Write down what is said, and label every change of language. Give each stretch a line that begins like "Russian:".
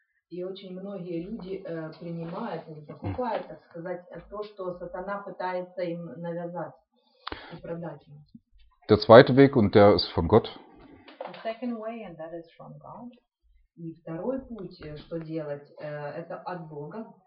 Russian: И очень многие люди принимают или покупают, так сказать, то, что сатана пытается им навязать и продать им.
German: Der zweite Weg, und der ist von Gott.
English: The second way, and that is from God.
Russian: И второй путь, что делать, это от Бога.